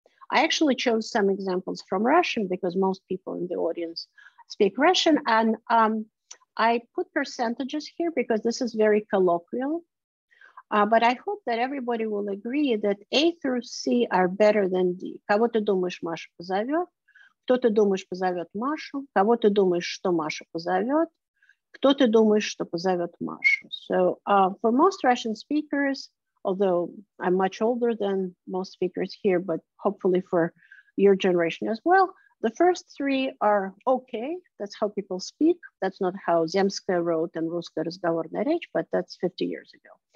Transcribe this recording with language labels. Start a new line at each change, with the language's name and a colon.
English: I actually chose some examples from Russian because most people in the audience speak Russian. And I put percentages here because this is very colloquial, but I hope that everybody will agree that A through C are better than D.
Russian: Кого ты думаешь, Маша позовет? Кто ты думаешь, позовет Машу? Кого ты думаешь, что Маша позовет? Кто ты думаешь, что позовет Машу?
English: So for most Russian speakers, although I'm much older than most speakers here, but hopefully for your generation as well. The first three are okay. That's how people speak. That's not how Земская wrote and Русская разговорная речь, but that's 50 years ago.